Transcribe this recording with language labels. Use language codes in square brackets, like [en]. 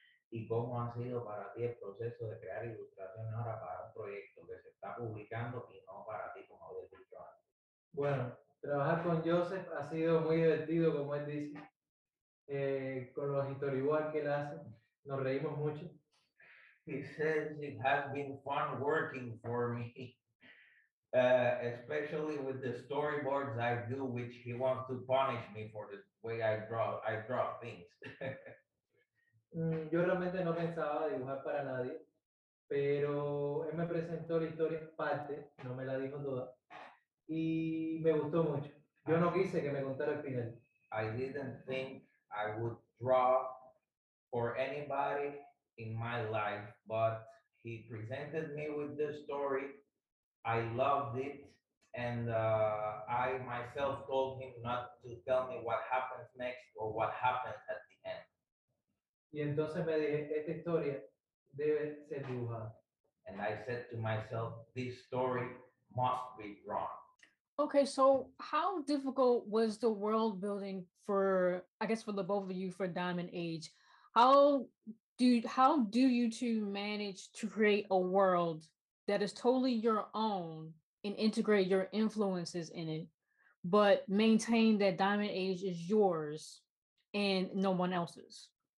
[es] ¿Y cómo ha sido para ti el proceso de crear ilustraciones ahora para un proyecto que se está publicando y no para ti como habías dicho antes? Bueno, trabajar con Joseph ha sido muy divertido, como él dice, con los storyboards que él hace, nos reímos mucho. [en] He says it has been fun working for me, especially with the storyboards I do, which he wants to punish me for the way I draw things. [es] Yo realmente no pensaba dibujar para nadie, pero él me presentó la historia en parte, no me la dijo toda, y me gustó mucho. Yo no quise que me contara el final. [en] I didn't think I would draw for anybody in my life, but he presented me with the story. I loved it, and I myself told him not to tell me what happens next or what happens at the end. [es] Y entonces me dije, esta historia debe ser dibujada. [en] And I said to myself, this story must be drawn. Okay, so how difficult was the world building for, I guess, for the both of you for Diamond Age? How do you two manage to create a world that is totally your own and integrate your influences in it, but maintain that Diamond Age is yours and no one else's?